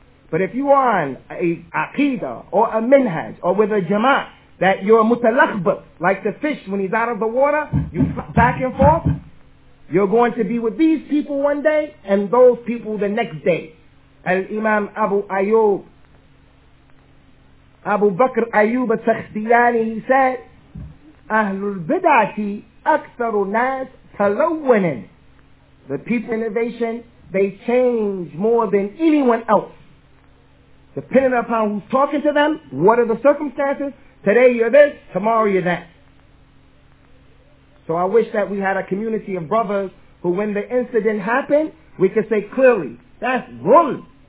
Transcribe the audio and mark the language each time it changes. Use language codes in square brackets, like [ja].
[en] But if you are on a aqidah or a minhaj or with a jama'ah, that you're a mutalakhbat, like the fish when he's out of the water, you flop back and forth, you're going to be with these people one day and those people the next day. Al-Imam Abu Ayyub, [ar] أبو بكر أيوب السختياني said أهل البدعة أكثر ناس تلونا. [en] The people innovation, they change more than anyone else. Depending upon who's talking to them, what are the circumstances? Today you're this, tomorrow you're that. So I wish that we had a community of brothers who when the incident happened, we could say clearly, that's wrong.